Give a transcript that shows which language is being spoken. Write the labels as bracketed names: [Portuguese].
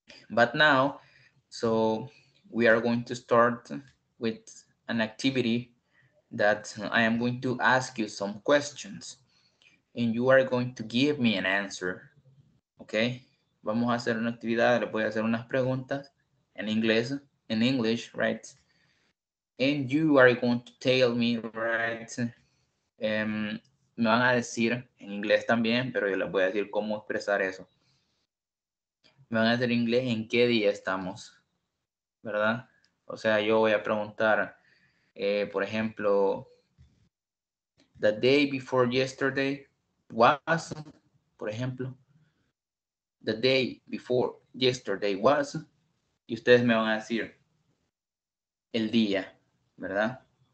[English] But now, so we are going to start with an activity that I am going to ask you some questions. And you are going to give me an answer. [Spanish] Okay, vamos a hacer una actividad, le voy a hacer unas preguntas en inglés, [English] in English, right? And you are going to tell me, right? [Spanish] Me van a decir en inglés también, pero yo les voy a decir cómo expresar eso. Me van a decir en inglés en qué día estamos, ¿verdad? O sea, yo voy a preguntar, por ejemplo, [English] the day before yesterday was, [Spanish] por ejemplo, [English] the day before yesterday was, [Spanish] y ustedes me van a decir el día, ¿verdad?